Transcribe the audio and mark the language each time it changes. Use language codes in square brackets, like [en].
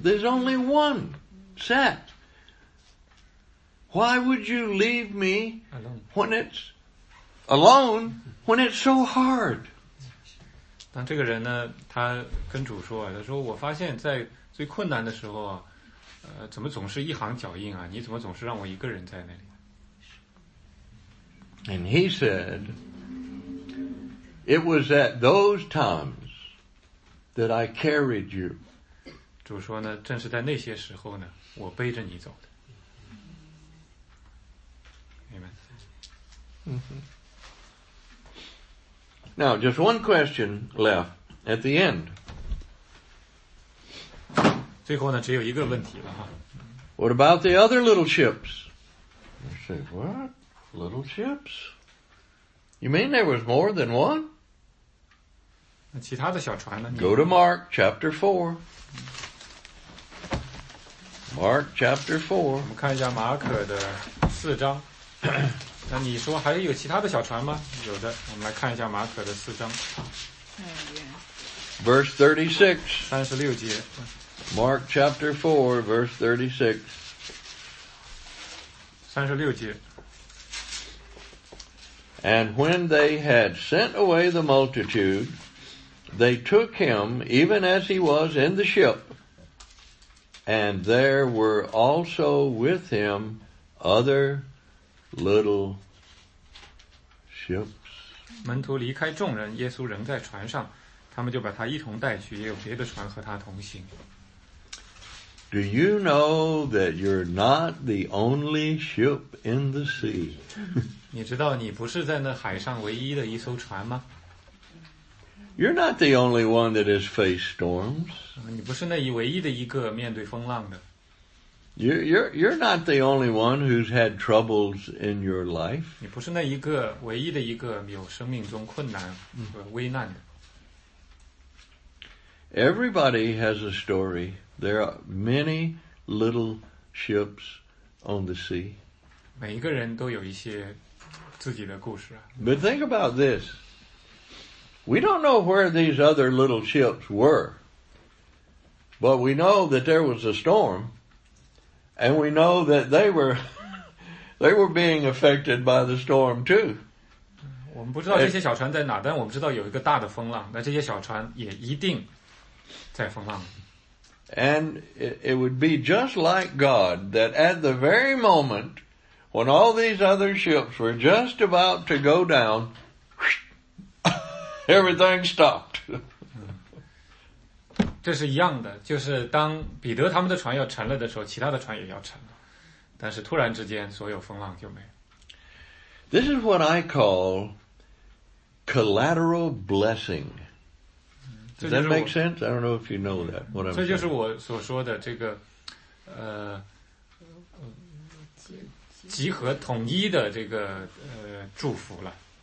[en] There's only one set. Why would you leave me when it'sAlone, when it's so hard. [zh] 当这个人呢，他跟主说，他说：“我发现，在最困难的时候啊，怎么总是一行脚印啊？你怎么总是让我一个人在那里？” [en] And he said, "It was at those times that I carried you." [zh] 主说呢，正是在那些时候呢，我背着你走的。 [en] Amen. Now, just one question left at the end. [zh] 最后呢，只有一个问题了哈。 [en] What about the other little ships? You say, what? Little ships? You mean there was more than one? [zh] 那其他的小船呢？ [en] Go to Mark chapter 4. Mark chapter 4. [zh] 我们看一下马可的四章。那你说还有其他的小船吗？有的，我们来看一下马可的四章。 [en] Verse 36. [zh] 三十六节。 [en] Mark chapter 4, verse 36. [zh] 三十六节。 [en] And when they had sent away the multitude, they took him, even as he was in the ship, and there were also with him other little ships. [zh] 门徒离开众人，耶稣仍在船上，他们就把他一同带去，也有别的船和他同行。 [en] Do you know that you're not the only ship in the sea? [zh] 你知道你不是在那海上唯一的一艘船吗？ [en] You're not the only one that has faced storms. [zh] 你不是那唯一的一个面对风浪的。 [en] You're not the only one who's had troubles in your life. [zh] 你不是那一个唯一的一个有生命中困难和危难的。 [en] Everybody has a story. There are many little ships on the sea. [zh] 每一个人都有一些自己的故事。 [en] But think about this. We don't know where these other little ships were, but we know that there was a storm, and we know that they were being affected by the storm too. [zh] 我们不知道这些小船在哪，但我们知道有一个大的风浪，那这些小船也一定在风浪。 [en] And it would be just like God that at the very moment when all these other ships were just about to go down,Everything stopped. [zh] 这是一样的，就是当彼得他们的船要沉了的时候，其他的船也要沉了。但是突然之间，所有风浪就没了。 [en] This is what I call collateral blessing. Does that make sense? I don't know if you know that. What I'm [zh] 这就是我所说的这个，集合统一的这个祝福了。